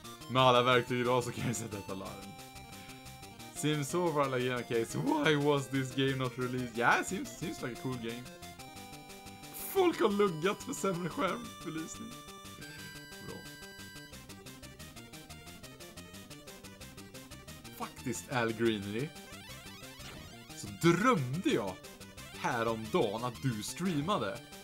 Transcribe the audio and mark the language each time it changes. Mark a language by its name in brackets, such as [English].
[Swedish] Med alla verktyg idag så kan jag sätta ett alarm. [English] Seems so far like a case. Why was this game not released? Yeah, seems like a cool game. [Swedish] Folk har luggat för sämre skärmbelysning. Bra. Faktiskt, Al Greenery. Så drömde jag häromdagen att du streamade.